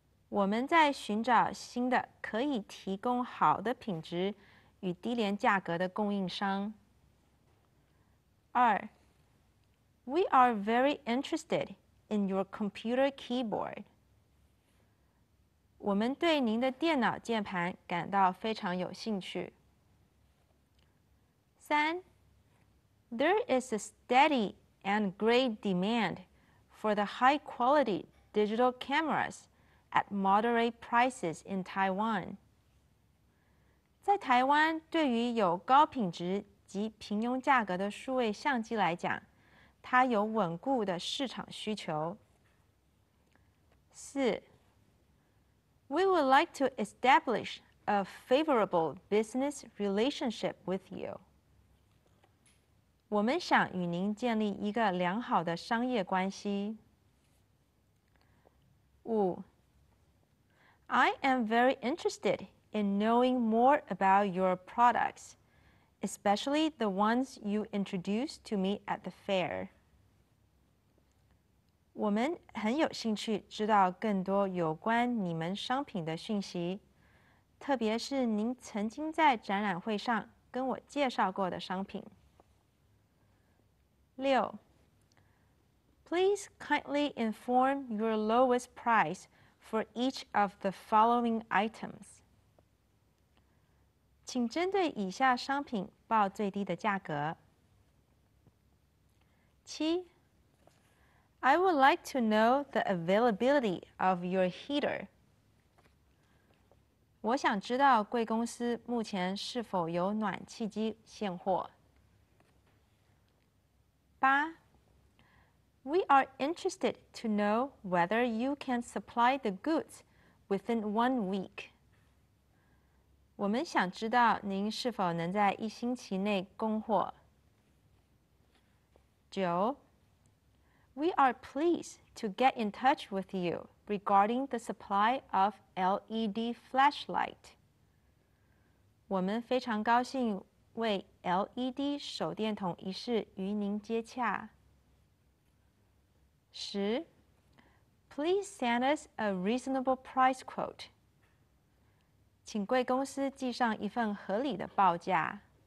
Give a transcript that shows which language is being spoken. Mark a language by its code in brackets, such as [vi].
[zh] 我们在寻找新的可以提供好的品质与低廉价格的供应商。 [en] 二 ，We are very interested in your computer keyboard。 [zh] 我们对您的电脑键盘感到非常有兴趣。 [en] 三 ，There is a steady and great demand for the high-quality digital cameras at moderate prices in Taiwan。 [zh] 在台湾，对于有高品质及平庸价格的数位相机来讲，它有稳固的市场需求。四。 [en] We would like to establish a favorable business relationship with you. [zh] 我们想与您建立一个良好的商业关系。 [en] 五 I am very interested in knowing more about your products, especially the ones you introduced to me at the fair. [zh] 我们很有兴趣知道更多有关你们商品的讯息，特别是您曾经在展览会上跟我介绍过的商品。 [en] 六 ，Please kindly inform your lowest price for each of the following items. [zh] 请针对以下商品报最低的价格。七。 [en] I would like to know the availability of your heater. [zh] 我想知道贵公司目前是否有暖气机现货。 [en] 八 We are interested to know whether you can supply the goods within 1 week. [zh] 我们想知道您是否能在一星期内供货。九 [en] We are pleased to get in touch with you regarding the supply of LED flashlight. [zh] 我们非常高兴为 LED 手电筒一事与您接洽。 [en] 十 Please send us a reasonable price quote. [zh] 请贵公司寄上一份合理的报价。